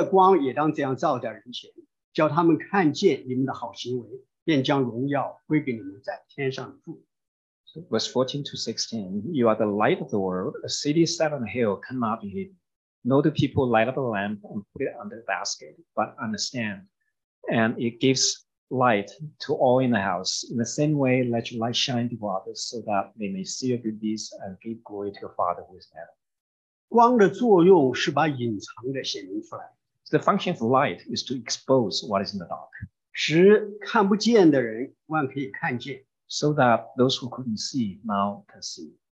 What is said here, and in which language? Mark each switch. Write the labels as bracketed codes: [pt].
[zh] 好，那个马太福音接下来的14到16节说，你们是世上的光，晨照在山上是不能隐藏的，人点灯不放在斗底下，是放在灯台上，就照亮一家的人。你们的光也当这样照在人前。叫他们看见你们的好行为，便将荣耀归给你们在天上的父。Verse [en] 14 to 16, you are the light of the world. A city set on a hill cannot be hidden. Nor do people light up a lamp and put it under a basket, but on a stand. And it gives light to all in the house. In the same way, let your light shine before others, so that they may see your good deeds and give glory to your Father who is in heaven. [zh] 光的作用是把隐藏的显明出来。 [en] The function of light is to expose what is in the dark. [zh] 使看不见的人万可以看见, [en] so that those who couldn't see now can see.